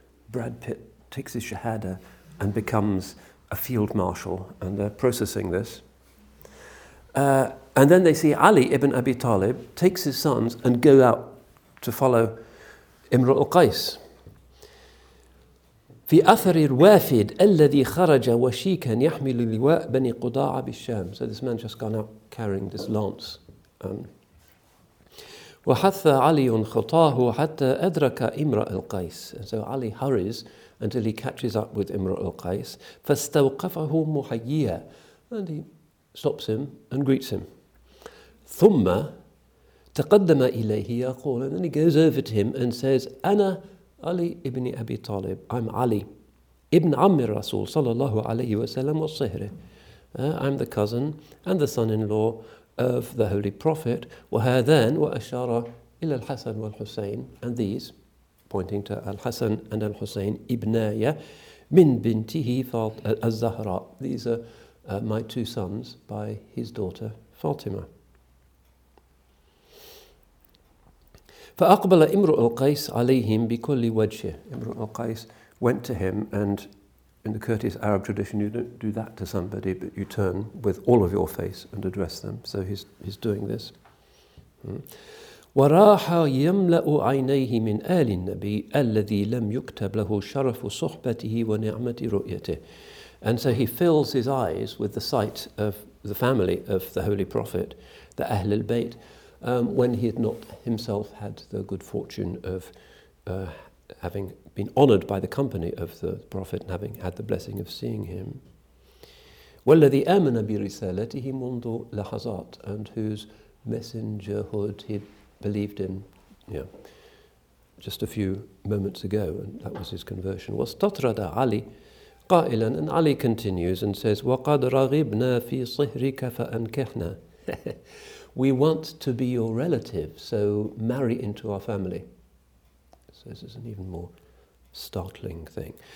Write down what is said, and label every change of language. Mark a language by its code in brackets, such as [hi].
[en] Brad Pitt takes his shahada and becomes a field marshal, and they're processing this. And then they see Ali ibn Abi Talib takes his sons and go out to follow Imr al-Qais. [ar] في أثر الوافد الذي خرج وشيكا يحمل لواء بني قضاعة بالشام. [en] So this man just gone out carrying this lance. [ar] وحث علي خطاه حتى أدرك إمرء القيس. [en] So Ali hurries until he catches up with Imr al-Qais. [ar] فاستوقفه محييا. [en] And he stops him and greets him. [ar] ثم تقدم إليه يقول. [en] And then he goes over to him and says, [ar] أنا [en] Ali ibn Abi Talib, I'm Ali [ar] ibn Ammi Rasul sallallahu alayhi wa sallam wa sihri. [en] I'm the cousin and the son-in-law of the Holy Prophet. [ar] وهذان وأشار إلى الحسن والحسين. [en] And these, pointing to al-Hasan and al-Husayn, [ar] ibnaya min bintihi al-Zahra. [en] These are my two sons by his daughter Fatima. [ar] فأقبل إمرء القيس عليهم بكل وجه. [en] إمرء القيس went to him, and in the courteous Arab tradition, you don't do that to somebody, but you turn with all of your face and address them. So he's doing this. [ar] وراح يملأ عينيه من آل النبي الذي لم يكتب له شرف صحبته ونعمة رؤيته. [en] And so he fills his eyes with the sight of the family of the Holy Prophet, the Ahl al-Bayt, when he had not himself had the good fortune of having been honoured by the company of the Prophet and having had the blessing of seeing him. [ar] وَالَّذِي آمَنَ بِرِسَالَتِهِ مُنْدُ لَحَظَاتٍ, [en] and whose messengerhood he believed in, yeah, just a few moments ago, and that was his conversion. [ar] وَاسْتَطْرَدَ عَلِي قَائِلًا, [en] and Ali continues and says, [ar] وَقَدْ رَغِبْنَا فِي صِحْرِكَ فَأَنْكِحْنَا. [en] We want to be your relative, so marry into our family. So this is an even more startling thing.